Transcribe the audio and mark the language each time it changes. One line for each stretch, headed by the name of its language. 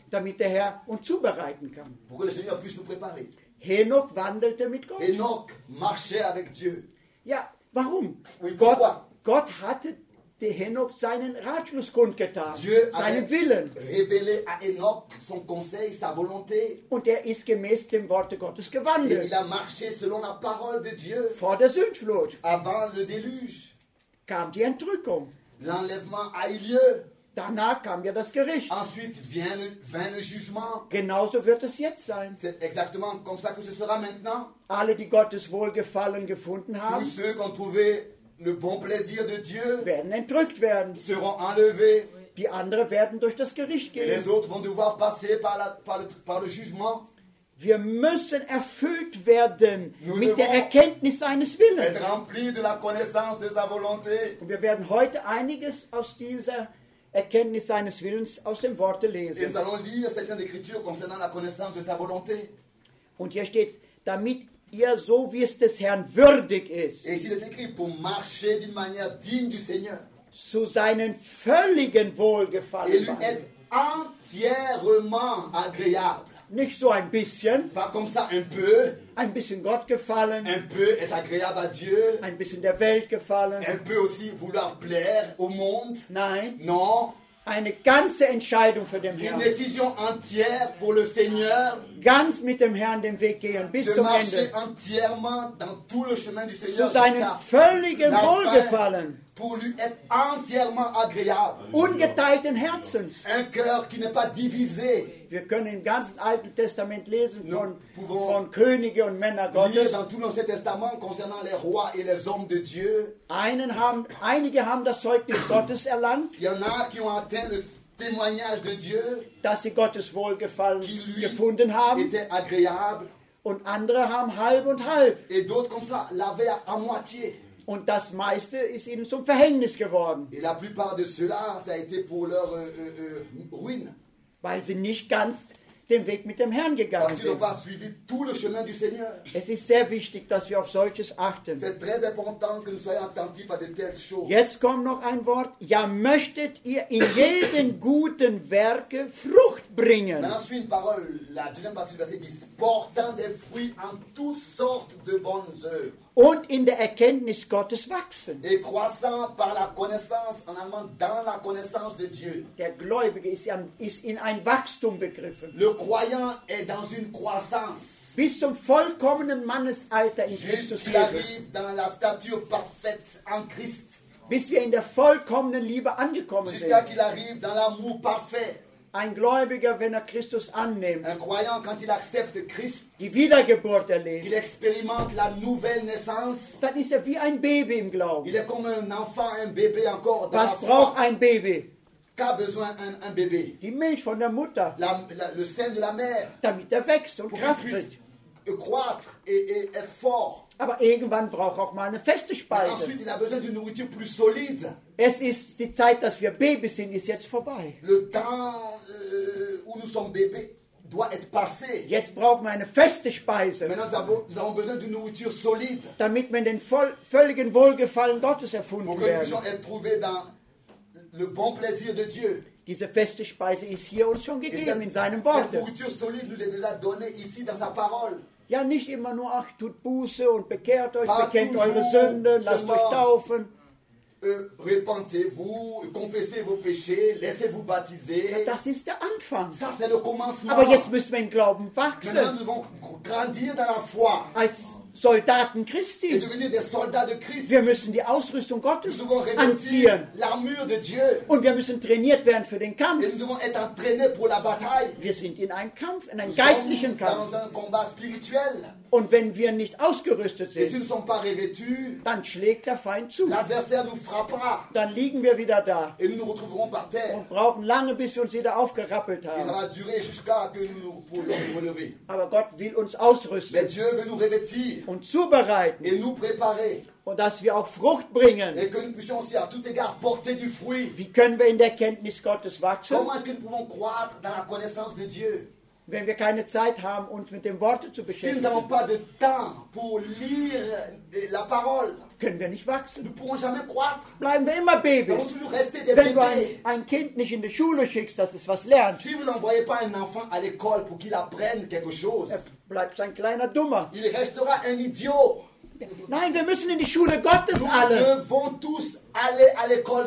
German: damit der Herr uns zubereiten kann.
French: Pour que le Seigneur puisse nous préparer.
German: Henoch wandelte mit Gott.
French: Henoch marchait avec Dieu.
German: Ja, warum?
French: Oui,
German: Gott hatte dem Henoch seinen Ratschluss kundgetan,
French: Dieu
German: seinen Willen.
French: Révélé à Henoch son conseil, sa volonté.
German: Und er ist gemäß dem Worte Gottes gewandelt.
French: Et il a marché selon la parole de Dieu.
German: Vor der Sündflut.
French: Avant le déluge.
German: Kam die Entrückung.
French: L'enlèvement a eu lieu.
German: Danach kam ja das Gericht.
French: Ensuite vient le jugement.
German: Genauso wird es jetzt sein.
French: C'est exactement comme ça que ce sera maintenant.
German: Alle, die Gottes Wohlgefallen gefunden haben.
French: Tous ceux qui ont trouvé le bon plaisir de Dieu
German: werden entrückt werden.
French: Seront enlevés.
German: Die anderen werden durch das Gericht gehen.
French: Les autres vont devoir passer par le jugement.
German: Wir müssen erfüllt werden
French: nous
German: mit der Erkenntnis seines Willens.
French: Être remplis de la connaissance de sa volonté.
German: Und wir werden heute einiges aus dieser Erkenntnis seines Willens aus dem Worte lesen.
French: Et nous allons lire certaines écritures concernant la connaissance de sa volonté.
German: Und hier steht, damit ihr so wie es des Herrn würdig ist.
French: Et ici, il est écrit pour marcher d'une manière digne du Seigneur.
German: Zu seinen völligen Wohlgefallen.
French: Et lui être entièrement agréable.
German: Nicht so ein bisschen.
French: Pas comme ça, un peu.
German: Ein bisschen Gott gefallen.
French: Un peu être agréable à Dieu.
German: Ein bisschen der Welt gefallen.
French: Un peu aussi vouloir plaire au monde.
German: Nein.
French: Non.
German: Eine ganze Entscheidung für den Herrn.
French: Une décision entière pour le Seigneur.
German: Ganz mit dem Herrn den Weg gehen bis zum Ende.
French: De marcher entièrement dans tout le chemin du Seigneur.
German: Zu seinem völligen Wohlgefallen.
French: Pour lui être entièrement agréable.
German: Ungeteilten Herzens.
French: Un cœur qui n'est pas divisé.
German: Wir können im ganzen Alten Testament lesen von Könige und Männer Gottes.
French: Dans tout l'Ancien Testament concernant les rois et les hommes de Dieu.
German: Einige haben das Zeugnis Gottes erlangt.
French: Il y en a qui ont atteint le témoignage de Dieu.
German: Dass sie Gottes Wohlgefallen gefunden haben.
French: Qui lui était agréable.
German: Und andere haben halb und halb.
French: Et d'autres comme ça l'avaient à moitié.
German: Und das meiste ist ihnen zum Verhängnis geworden.
French: Et la plupart de ceux-là, ça a été pour leur ruine.
German: Weil sie nicht ganz den Weg mit dem Herrn gegangen sind.
French: Pas suivi tout le chemin du Seigneur.
German: Es ist sehr wichtig, dass wir auf solches achten.
French: C'est très important que nous soyons attentifs à de telles choses.
German: Jetzt kommt noch ein Wort. Ja, möchtet ihr in jedem guten Werke Frucht bringen?
French: Maintenant, suit une parole. La deuxième partie du verset dit, portant des fruits en toutes sortes de bonnes œuvres.
German: Und in der Erkenntnis Gottes wachsen.
French: Et croissant par la connaissance, en allemand, dans la connaissance de Dieu.
German: Der Gläubige ist in ein Wachstum begriffen.
French: Le croyant est dans une croissance.
German: Bis zum vollkommenen Mannesalter in Christus Jesus.
French: Dans la stature parfaite en Christ.
German: Bis wir in der vollkommenen Liebe angekommen sind.
French: Jusqu'à qu'il arrive dans l'amour parfait.
German: Ein Gläubiger, wenn er Christus annimmt,
French: un croyant, quand il accepte Christ,
German: die Wiedergeburt erlebt,
French: il expérimente la nouvelle naissance,
German: dann ist er wie ein Baby im Glauben.
French: Il est comme un enfant, un bébé encore dans
German: Was
French: la
German: braucht ein Baby?
French: Qu'a besoin un bébé?
German: Die Milch von der Mutter.
French: Le sein de la mère.
German: Damit er wächst und kraftet.
French: Croître et être fort.
German: Aber irgendwann braucht auch mal eine feste Speise.
French: Mais ensuite, il a besoin d'une nourriture plus solide.
German: Es ist die Zeit, dass wir Babys sind, ist jetzt vorbei.
French: Le temps où nous sommes bébés doit être passé.
German: Jetzt brauchen wir eine feste Speise.
French: Maintenant, nous avons besoin d'une nourriture solide.
German: Damit wir den völligen Wohlgefallen Gottes erfunden
French: pour
German: werden.
French: Pour que nous puissions être trouvés dans le bon plaisir de Dieu.
German: Diese feste Speise ist hier uns schon gegeben,
French: cette,
German: in seinem Wort.
French: Cette nourriture solide nous est déjà donnée ici dans sa parole.
German: Ja, nicht immer nur, ach, tut Buße und bekehrt euch, bekennt eure Sünden, lasst euch taufen.
French: Repentez-vous, confessez vos péchés, laissez-vous baptiser.
German: Ja, das ist der Anfang.
French: Ça, c'est le commencement.
German: Aber jetzt müssen wir im Glauben wachsen.
French: Maintenant, nous devons grandir dans la foi.
German: Als Soldaten Christi.
French: Et devenir des soldats de Christ.
German: Wir müssen die Ausrüstung Gottes anziehen.
French: L'armure de Dieu.
German: Und wir müssen trainiert werden für den Kampf.
French: Et nous devons être entraînés pour la bataille.
German: Wir sind in einem Kampf, in einem geistlichen Kampf.
French: Dans un combat spirituel.
German: Und wenn wir nicht ausgerüstet sind,
French: et si nous ne sommes pas revêtus,
German: dann schlägt der Feind zu.
French: L'adversaire nous frappera.
German: Dann liegen wir wieder da.
French: Et nous nous retrouverons par terre.
German: Und brauchen lange, bis wir uns wieder aufgerappelt haben.
French: Et ça va durer jusqu'à que nous nous pourrons relever.
German: Aber Gott will uns ausrüsten.
French: Mais Dieu veut nous revêtir.
German: Und zubereiten.
French: Et nous préparer.
German: Und dass wir auch Frucht bringen.
French: Et que nous puissions aussi à tout égard porter du fruit.
German: Wie können wir in der Kenntnis Gottes wachsen?
French: Comment est-ce que nous pouvons croître dans la connaissance de Dieu?
German: Wenn wir keine Zeit haben, uns mit dem Wort zu beschäftigen.
French: Si nous n'avons pas de temps pour lire la parole.
German: Können wir nicht wachsen.
French: Nous pourrons jamais croître.
German: Bleiben wir immer Babys.
French: Nous toujours rester des
German: Wenn
French: bébés.
German: Du ein Kind nicht in die Schule schickst, dass es was lernt.
French: Si vous n'envoyez pas un enfant à l'école pour qu'il apprenne quelque chose.
German: Bleibt ein kleiner Dummer.
French: Il restera un idiot.
German: Nein, wir müssen in die Schule Gottes
French: nous
German: alle.
French: Nous devons tous aller à l'école